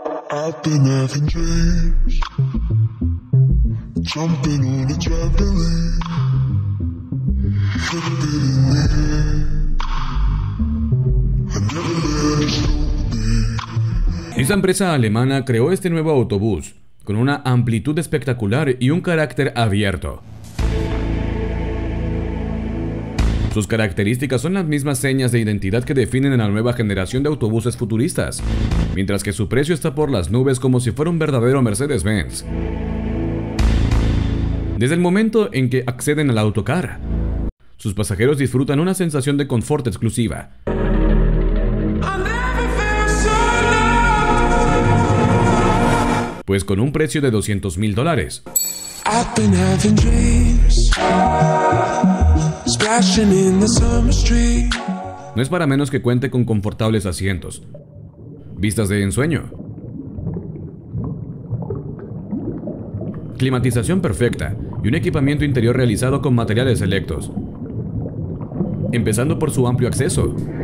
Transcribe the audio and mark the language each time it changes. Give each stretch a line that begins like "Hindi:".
English: I've been having dreams, jumping on a trampoline, flipping in the air. I never let it show.
Spanish: Esa empresa alemana creó este nuevo autobús, con una amplitud espectacular y un carácter abierto. Sus características son las mismas señas de identidad que definen a la nueva generación de autobuses futuristas, mientras que su precio está por las nubes como si fuera un verdadero Mercedes-Benz. Desde el momento en que acceden al autocar, sus pasajeros disfrutan una sensación de confort exclusiva. Pues con un precio de $200,000.
English: I've been having dreams, splashing in the summer street.
Spanish: No es para menos que cuente con confortables asientos, vistas de ensueño, climatización perfecta y un equipamiento interior realizado con materiales selectos. Empezando por su amplio acceso.